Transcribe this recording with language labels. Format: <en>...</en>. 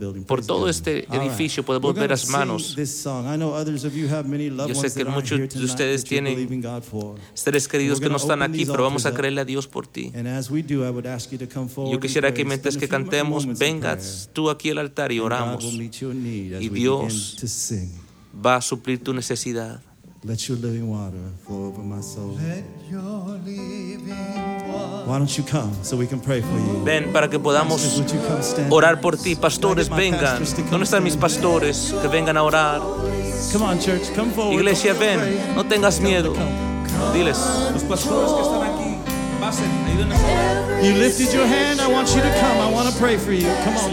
<es>Por todo este edificio podemos ver las manos. Yo sé que muchos de ustedes tienen seres queridos que no están aquí, pero vamos a creerle a Dios por ti. Yo quisiera que mientras que cantemos, vengas tú aquí al altar y oramos. Y Dios va a suplir tu necesidad.</es> <en>Let your living water flow over my soul. Let your living water. Why don't you come so we can pray for you?</en> <es>Ven para que podamos orar por ti. Pastores, vengan. ¿Dónde están mis pastores que vengan a orar?</es> <en>Come on, church, come forward.</en> <es>Iglesia, ven. No tengas miedo. Diles, los pastores que están aquí, pasen, ayúdenos a orar.</es> <en>You lifted your hand, I want you to come, I want to pray for you. Come on.</en>